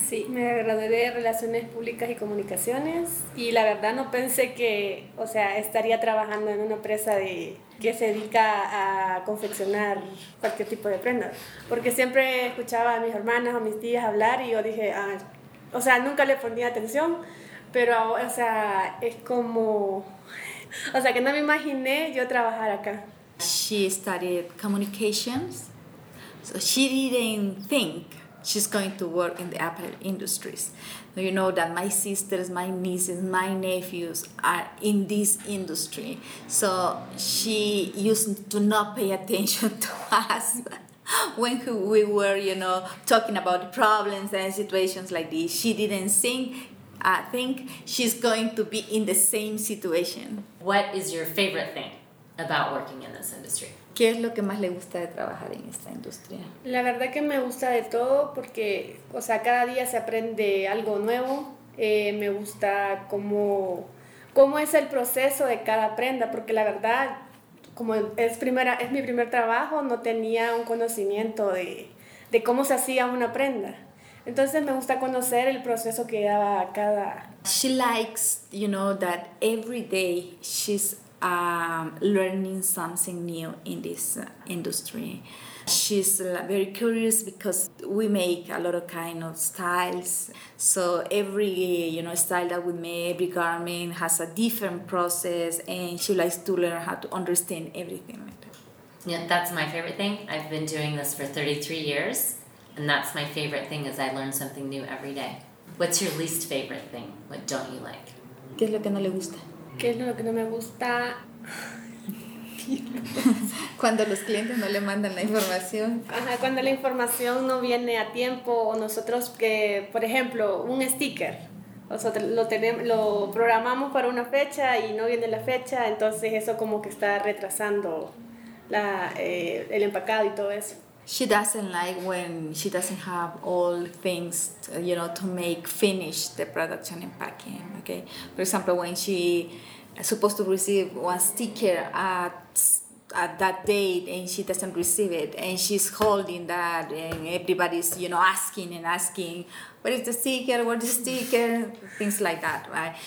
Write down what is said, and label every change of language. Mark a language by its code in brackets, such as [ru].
[es] Sí, me gradué de Relaciones Públicas y Comunicaciones y la verdad no pensé que, o sea, estaría trabajando en una empresa que se dedica a confeccionar cualquier tipo de prenda. Porque siempre escuchaba a mis hermanas o mis tías hablar y yo dije, ah, o sea, nunca le ponía atención, pero, o sea, es como, o sea, que no me imaginé yo trabajar acá. [en] She studied communications, so she didn't think she's going to work in the apparel industries. You know that my sisters, my nieces, my nephews are in this industry. So she used to not pay attention to us when we were, you know, talking about problems and situations like this. She didn't think she's going to be in the same situation. What is your favorite thing about working in this industry? [es] ¿Qué es lo que más le gusta de trabajar en esta industria? La verdad que me gusta de todo porque, o sea, cada día se aprende algo nuevo. Me gusta cómo es el proceso de cada prenda, porque la verdad, como es mi primer trabajo, no tenía un conocimiento de cómo se hacía una prenda. Entonces me gusta conocer el proceso que lleva cada... [en] She likes, you know, that every day she's... learning something new in this industry. She's very curious because we make a lot of kind of styles. So every, you know, style that we make, every garment has a different process, and she likes to learn how to understand everything like that. Yeah, that's my favorite thing. I've been doing this for 33 years, and that's my favorite thing is I learn something new every day. What's your least favorite thing? What don't you like? [es] ¿Qué es lo que no le gusta? ¿Qué es lo que no me gusta? Cuando los clientes no le mandan la información. Ajá, cuando la información no viene a tiempo o nosotros que, por ejemplo, un sticker, nosotros lo programamos para una fecha y no viene la fecha, entonces eso como que está retrasando el empacado y todo eso. [en] She doesn't like when she doesn't have all things, you know, to make finish the production and packing, okay? For example, when she is supposed to receive one sticker at at that date and she doesn't receive it, and she's holding that, and everybody's, you know, asking and asking, what is the sticker, what is the sticker, things like that, right?